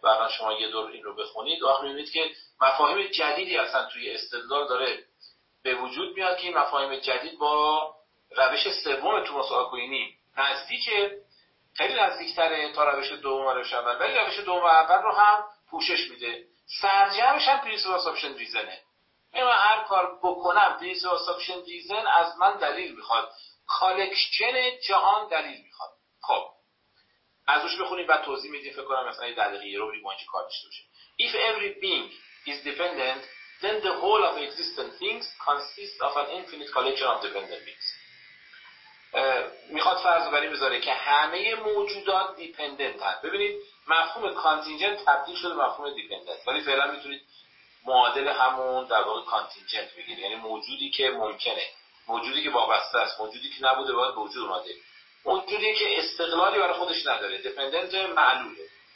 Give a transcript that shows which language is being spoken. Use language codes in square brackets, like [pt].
[fa] بعدا شما یه دور این رو بخونید و آخر میبینید که مفاهیم جدیدی اصلا توی استدلال داره به وجود میاد که این مفاهیم جدید با روش سوم توماس آکوینی نزدیکه، خیلی نزدیکتره تا روش دوم و روش اول، ولی روش دوم و اول رو هم پوشش میده. سرجمش هم پریس و اصابشن ریزنه. من هر کار بکنم پریس و اصابشن ریزن از من دلیل میخواد، کالکشن جهان دلیل میخواد. خب از روش بخونیم بعد توضیح میدیم. فکر کنم مثلا یه دلقیه رو بریم با اینجا کار داشته باشه. [en] If every being is dependent then the whole of existent things consists of an infinite collection of dependent beings. [fa] میخواد فرض رو بریم بذاره که همه موجودات dependent هست. ببینید مفهوم کانتینجنت تبدیل شده مفهوم دیپندنت، ولی فعلا میتونید معادل همون در واقع کانتینجنت بگیرید، یعنی موجودی که ممکنه، موجودی که وابسته است، موجودی که نبوده باید به وجود اومده، موجودی که استقلالی برای خودش نداره، دیپندنت معلوله.